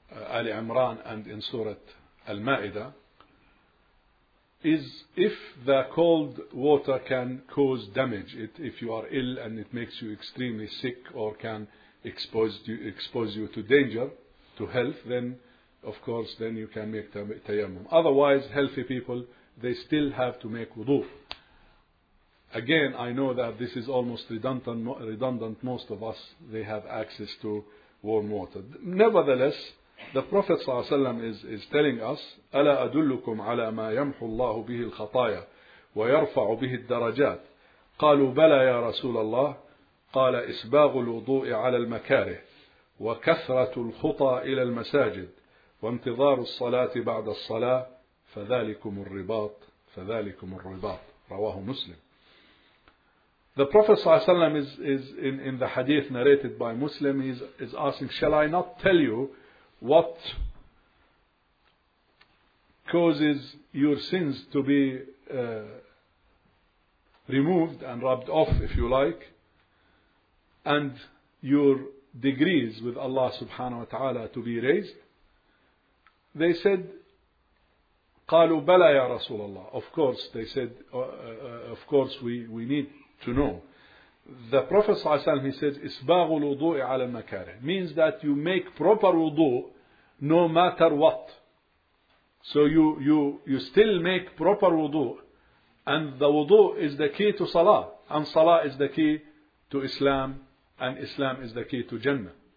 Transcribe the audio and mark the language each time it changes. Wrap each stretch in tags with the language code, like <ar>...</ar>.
<en>Ali Imran and in Surah Al-Ma'idah, is if the cold water can cause damage, if you are ill and it makes you extremely sick or can expose you to danger, to health, then of course then you can make tayammum. Otherwise, healthy people, they still have to make wudu. Again, I know that this is almost redundant. Most of us, they have access to warm water. Nevertheless, the Prophet ﷺ is telling us,</en> <ar>أَلَا أَدُلُّكُمْ عَلَى مَا يَمْحُ اللَّهُ بِهِ الْخَطَايَا وَيَرْفَعُ بِهِ الدَّرَجَاتِ قَالُوا بَلَا يَا رَسُولَ اللَّهِ قَالَ إِسْبَاغُ الْوُضُوءِ عَلَى الْمَكَارِهِ وَكَثْرَةُ الْخُطَى إِلَى الْمَسَاجِدِ وَانْتِظَارُ الصَّلَاةِ بَعْدَ الصَّلَاةِ فَذَلِكُمُ الرِّبَاطِ فَذَلِكُمُ الرِّبَاطِ رواه مسلم.</ar> <en>The Prophet ﷺ is in the hadith narrated by Muslim, he is asking, shall I not tell you what causes your sins to be removed and rubbed off, if you like, and your degrees with Allah subhanahu wa ta'ala to be raised? They said,</en> <ar>قَالُوا بَلَا يَا رَسُولَ اللَّهِ.</ar> <en>Of course, they said, of course we need to know. The Prophet ﷺ, he says,</en> <ar>إِسْبَاغُ الْوُضُوءِ عَلَى الْمَكَارِهِ,</ar> <en>means that you make proper wudu no matter what. So you still make proper wudu, and the wudu is the key to salah, and salah is the key to Islam, and Islam is the key to Jannah.</en>